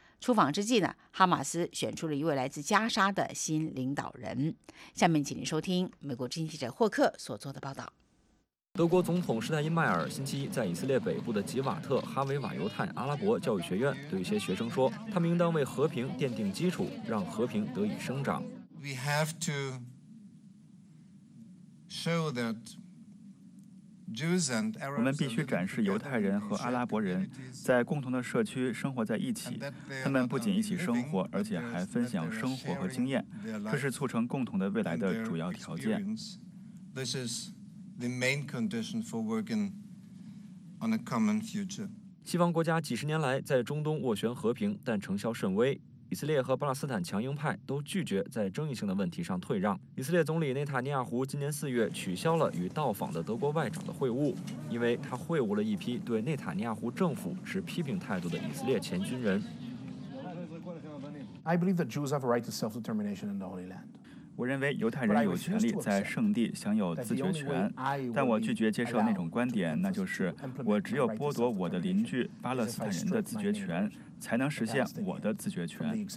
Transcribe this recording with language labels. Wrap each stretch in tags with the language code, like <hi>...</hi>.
<zh>出访之际呢，哈马斯选出了一位来自加沙的新领导人。下面请您收听美国之音记者霍克所做的报道。德国总统施泰因迈尔星期一在以色列北部的吉瓦特哈维瓦犹太阿拉伯教育学院对一些学生说，他们应当为和平奠定基础，让和平得以生长。</zh> <en>We have to show that Jews and Arabs.</en> <zh>我们必须展示犹太人和阿拉伯人在共同的社区生活在一起，他们不仅一起生活，而且还分享生活和经验，这是促成共同的未来的主要条件。</zh> <en>The main condition for working on a common future.</en> <zh>西方国家几十年来在中东斡旋和平，但成效甚微。以色列和巴勒斯坦强硬派都拒绝在争议性的问题上退让。以色列总理内塔尼亚胡今年4月取消了与到访的德国外长的会晤，因为他会晤了一批对内塔尼亚胡政府持批评态度的以色列前军人。</zh> <en>I believe that Jews have a right to self-determination in the Holy Land.</en> <zh>我认为犹太人有权利在圣地享有自决权，但我拒绝接受那种观点，那就是我只有剥夺我的邻居巴勒斯坦人的自决权，才能实现我的自决权。</zh>